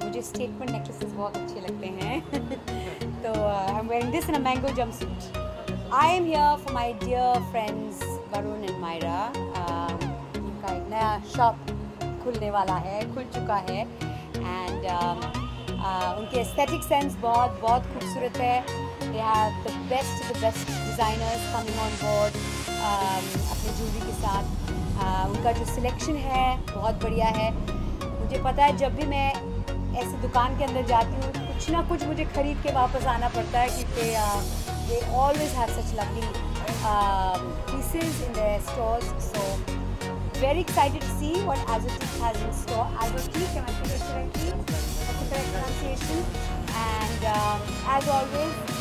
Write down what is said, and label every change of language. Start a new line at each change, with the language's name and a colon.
Hindi: मुझे statement necklaces बहुत अच्छे लगते हैं.
English: तो I am wearing this in a mango jumpsuit. I am here for my dear friends Varun and Myra.
Hindi: उनका एक नया शॉप खुलने वाला है, खुल चुका है.
English: and
Hindi: उनके एस्थेटिक सेंस बहुत बहुत खूबसूरत है.
English: They have the best designers coming on board
Hindi: अपने ज्वेलरी के साथ. उनका जो सिलेक्शन है बहुत बढ़िया है. मुझे पता है जब भी मैं ऐसे दुकान के अंदर जाती हूँ कुछ ना कुछ मुझे खरीद के वापस आना पड़ता है, क्योंकि
English: they always have such lovely pieces in their stores. So very excited to see what Azotique has in store. Azotique, am I saying it correctly? That's the correct pronunciation. And as always,